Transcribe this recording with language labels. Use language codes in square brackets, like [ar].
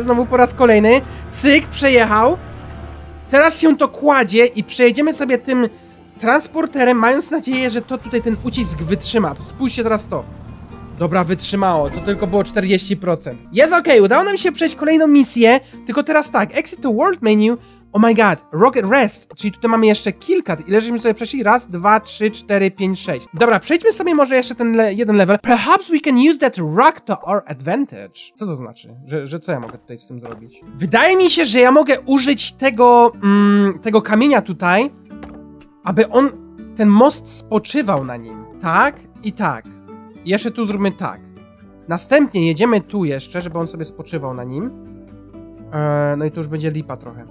[pl] Znowu po raz kolejny. Cyk, przejechał. Teraz się to kładzie i przejedziemy sobie tym transporterem, mając nadzieję, że to tutaj ten ucisk wytrzyma. Spójrzcie teraz to. Dobra, wytrzymało. To tylko było 40%. Jest okej, udało nam się przejść kolejną misję. Tylko teraz tak, [en] exit to world menu. Oh my god, rocket rest. [pl] Czyli tutaj mamy jeszcze kilka. Ile żeśmy sobie przeszli? Raz, dwa, trzy, cztery, pięć, sześć. Dobra, przejdźmy sobie może jeszcze ten jeden level. [en] Perhaps we can use that rock to our advantage. [pl] Co to znaczy? Że co ja mogę tutaj z tym zrobić? Wydaje mi się, że ja mogę użyć tego... tego kamienia tutaj. Aby on... ten most spoczywał na nim. Tak i tak. Jeszcze tu zróbmy tak. Następnie jedziemy tu jeszcze, żeby on sobie spoczywał na nim. No i to już będzie lipa trochę.